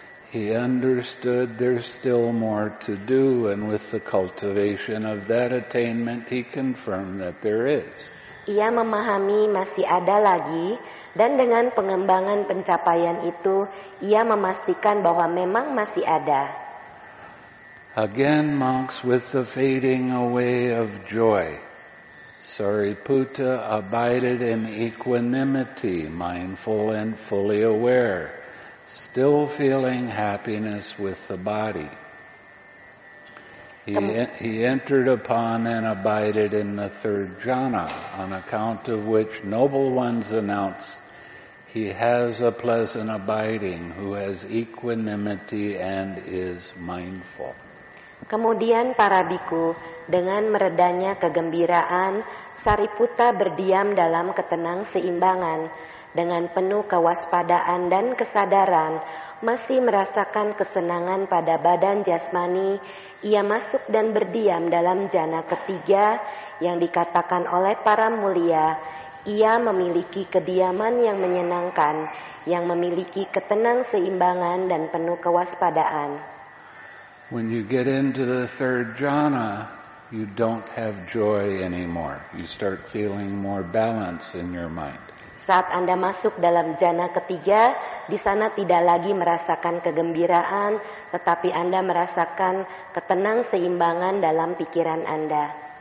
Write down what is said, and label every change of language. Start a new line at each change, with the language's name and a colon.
English: He understood there's still more to do, and with the cultivation of that attainment, he confirmed that there is.
Indonesian: Ia memahami masih ada lagi, dan dengan pengembangan pencapaian itu, ia memastikan bahwa memang masih ada.
English: Again, monks, with the fading away of joy, Sariputta abided in equanimity, mindful and fully aware, still feeling happiness with the body. He entered upon and abided in the third jhana, on account of which noble ones announce, he has a pleasant abiding who has equanimity and is mindful.
Indonesian: Kemudian para bhikkhu, dengan meredanya kegembiraan, Sariputta berdiam dalam ketenang seimbangan. Dengan penuh kewaspadaan dan kesadaran, masih merasakan kesenangan pada badan jasmani, ia masuk dan berdiam dalam jhana ketiga yang dikatakan oleh para mulia, ia memiliki kediaman yang menyenangkan, yang memiliki ketenang seimbangan dan penuh kewaspadaan.
English: When you get into the third jhana, you don't have joy anymore. You start feeling more balance in your mind.
Indonesian: Saat Anda masuk dalam jhana ketiga, di sana tidak lagi merasakan kegembiraan, tetapi Anda merasakan ketenang seimbangan dalam pikiran Anda.